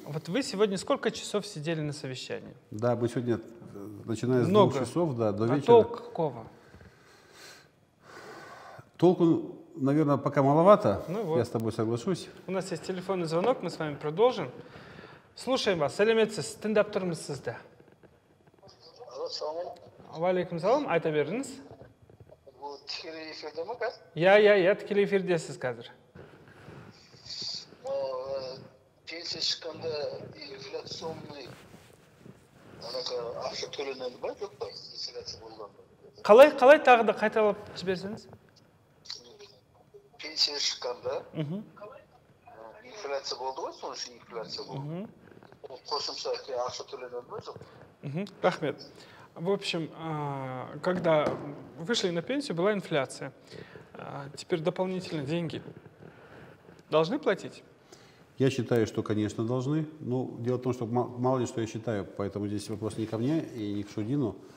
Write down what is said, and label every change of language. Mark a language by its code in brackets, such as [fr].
[ru] Вот вы сегодня сколько часов сидели на совещании? Да, мы сегодня, начиная с двух часов, да, до вечера. А толк какого? Толку, наверное, пока маловато. Ну вот. Я с тобой соглашусь. У нас есть телефонный звонок, мы с вами продолжим. Слушаем вас. [kk] Сәлеметсіз, тыңдап тұрмыз сізді. Ассалам. Уалейкум салам, айта беріңіз. Тікелей эфирде ме, бе? Я тікелей эфирде сіз қазір. Пенсия шыққанда инфляционный ақша төленеді ба, жоқ па? Инфляция болғанда. Қалай тағы да қайталап жіберсеңіз? Пенсия шыққанда инфляция болды ғой, соның үшін инфляция болды. Қосымша ақша төленеді ма, жоқ па? Рахмет. [ru] В общем, когда вышли на пенсию, была инфляция. Теперь дополнительно деньги должны платить? Я считаю, что, конечно, должны. Но дело в том, что мало ли что я считаю, поэтому здесь вопрос не ко мне и не к Шудину.